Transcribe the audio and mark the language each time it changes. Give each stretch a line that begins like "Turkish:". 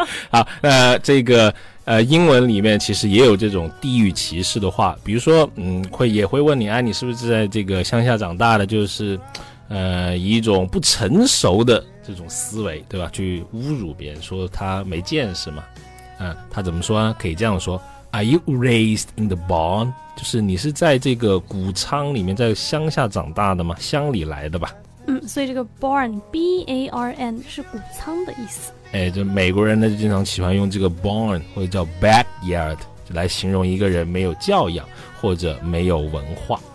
Chinese: 好，那这个英文里面其实也有这种地域歧视的话，比如说会也会问你，哎，你是不是在这个乡下长大的？就是以一种不成熟的这种思维，对吧？去侮辱别人，说他没见识嘛。他怎么说呢？可以这样说
English: ：Are you raised in the barn？
Chinese: 就是你是在这个谷仓里面，在乡下长大的吗？乡里来的吧。所以这个 barn B-A-R-N 是谷仓的意思。哎，就美国人呢，就经常喜欢用这个 barn 或者叫 backyard 就来形容一个人没有教养或者没有文化。